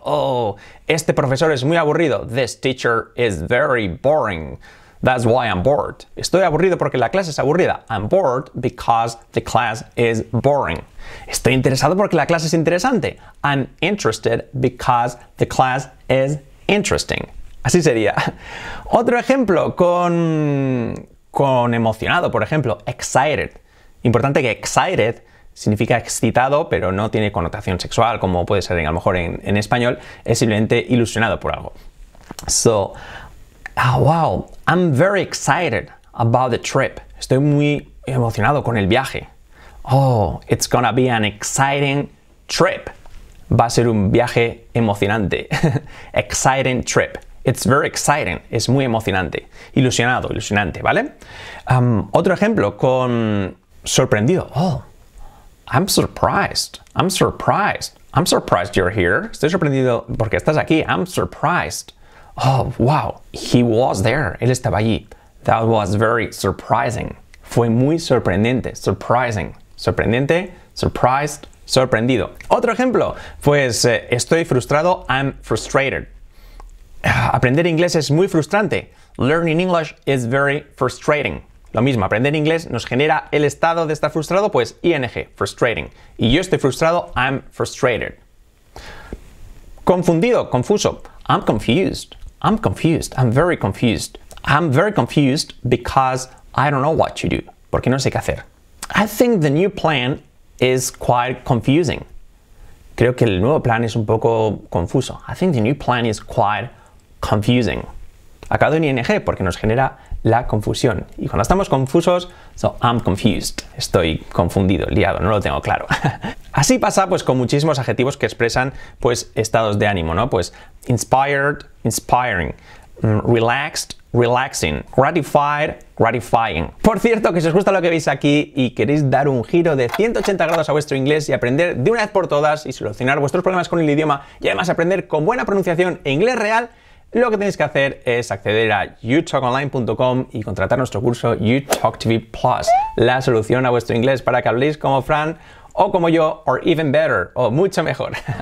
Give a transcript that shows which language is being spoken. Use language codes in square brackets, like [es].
[es] Oh, este profesor es muy aburrido. [en] This teacher is very boring. That's why I'm bored. [es] Estoy aburrido porque la clase es aburrida. [en] I'm bored because the class is boring. [es] Estoy interesado porque la clase es interesante. [en] I'm interested because the class is interesting. [es] Así sería. Otro ejemplo con emocionado, por ejemplo, excited. Importante que excited significa excitado, pero no tiene connotación sexual, como puede ser a lo mejor en español. Es simplemente ilusionado por algo. [en] So, oh, wow, I'm very excited about the trip. [es] Estoy muy emocionado con el viaje. [en] Oh, it's gonna be an exciting trip. [es] Va a ser un viaje emocionante. [en] Exciting trip. It's very exciting. [es] Es muy emocionante. Ilusionado, ilusionante, ¿vale? Otro ejemplo con sorprendido. [en] Oh, I'm surprised. I'm surprised. I'm surprised you're here. [es] Estoy sorprendido porque estás aquí. [en] I'm surprised. Oh, wow, he was there. [es] Él estaba allí. [en] That was very surprising. [es] Fue muy sorprendente. Surprising. Sorprendente, surprised, sorprendido. Otro ejemplo. Pues estoy frustrado. [en] I'm frustrated. [es] Aprender inglés es muy frustrante. [en] Learning English is very frustrating. [es] Lo mismo, aprender inglés nos genera el estado de estar frustrado, pues ING, frustrating. Y yo estoy frustrado. [en] I'm frustrated. [es] Confundido, confuso. [en] I'm confused. I'm confused. I'm very confused. I'm very confused because I don't know what to do. [es] Porque no sé qué hacer. [en] I think the new plan is quite confusing. [es] Creo que el nuevo plan es un poco confuso. [en] I think the new plan is quite confusing. [es] Acabo en ING porque nos genera la confusión. Y cuando estamos confusos, [en] so I'm confused. [es] Estoy confundido, liado, no lo tengo claro. Así pasa pues con muchísimos adjetivos que expresan pues estados de ánimo, ¿no? [en] Pues inspired, inspiring, relaxed, relaxing, gratified, gratifying. [es] Por cierto, que si os gusta lo que veis aquí y queréis dar un giro de 180 grados a vuestro inglés y aprender de una vez por todas y solucionar vuestros problemas con el idioma y además aprender con buena pronunciación e inglés real, lo que tenéis que hacer es acceder a youtalkonline.com y contratar nuestro curso YouTalkTV Plus, la solución a vuestro inglés para que habléis como Fran o como yo, [en] or even better, [es] o mucho mejor.